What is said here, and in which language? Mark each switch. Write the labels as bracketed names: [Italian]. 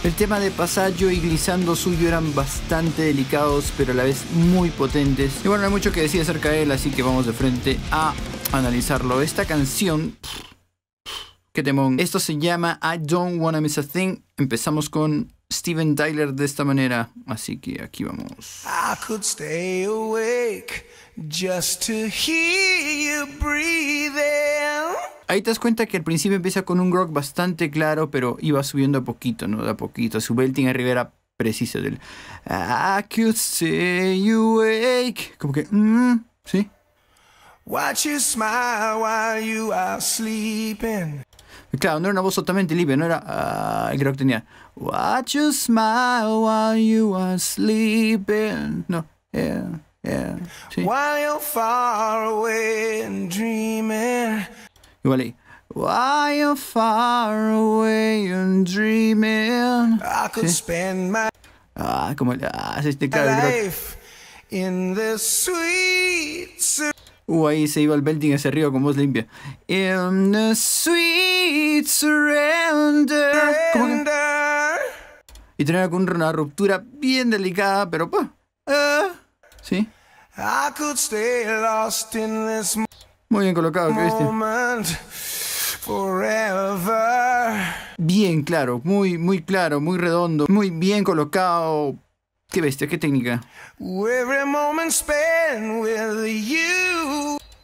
[Spanish] El tema de pasallo y glissando suyo eran bastante delicados, pero a la vez muy potentes. Y bueno, no hay mucho que decir acerca de él, así que vamos de frente a analizarlo. Esta canción, qué temón. Esto se llama I Don't Wanna Miss a Thing. Empezamos con Steven Tyler de esta manera, así que aquí vamos. [English] I could stay awake just to hear you breathing. [Spanish] Ahí te das cuenta que al principio empieza con un grog bastante claro, pero iba subiendo a poquito, ¿no? De a poquito. Su belting arriba era preciso del [English] I could stay awake. [Spanish] Como que, ¿sí? [English] Watch you smile while you are sleeping. [Spanish] Claro, no era una voz totalmente libre, no era. El grog tenía. [English] Watch you smile while you are sleeping. No, yeah, yeah. [Spanish] Sí. [English] While you're far away and dreaming. [Spanish] Igual ahí. [English] While you're far away and dreaming. I could spend my. [Spanish] Ah, como el. Ah, sí, claro, el [English] life in the sweet. [Spanish] Ahí se iba el belting hacia arriba con voz limpia. [English] In the sweet surrender. Surrender. [Spanish] Y tenía con una ruptura bien delicada, pero pues. Sí. [English] I could stay lost in this [Spanish] muy bien colocado, ¿qué viste? [English] Moment forever. [Spanish] Bien claro, muy, muy claro, muy redondo, muy bien colocado. ¿Qué bestia? ¿Qué técnica? [English] Every moment spent with you.